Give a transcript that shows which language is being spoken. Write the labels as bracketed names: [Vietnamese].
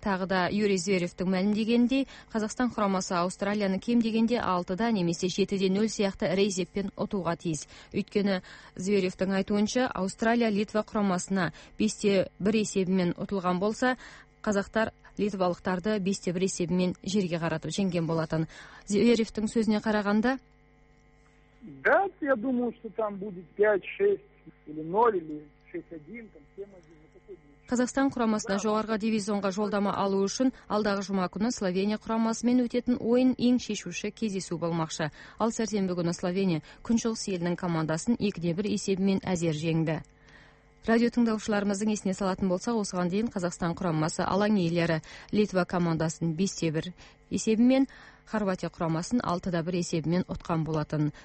[Kazakh] Тағы да Юрий Зверевтің мәлімдегендей, Қазақстан құрамасы Австралияны кем дегенде 6-да немесе 7-0 сияқты ірі есеппен ұтуға тиіс. Өйткені Зверевтің айтуынша, Австралия Литва құрамасына 5-1 есебімен ұтылған болса, қазақтар литвалықтарды 5-1 есебімен жерге қаратып жеңген болатын. Зверевтің сөзіне қарағанда, [Russian] да, я думаю, что там будет 5-6 или 0 или 6-1 там 7-1. [Kazakh] Қазақстан құрамасына жоғарғы дивизионға жолдама алу үшін алдағы жұма күні Словения құрамасымен өтетін ойын ең шешуші кездесу болмақшы. Ал сәрсенбі күні Словения күншығыс елінің командасын 2-1 есебімен әзер жеңді. Радио тыңдаушыларымыздың есіне салатын болсақ, осыған дейін Қазақстан құрамасы алаң иелері Литва командасын 5-1 есебімен, Хорватия құрамасын 6-1 есебімен ұтқан болатын.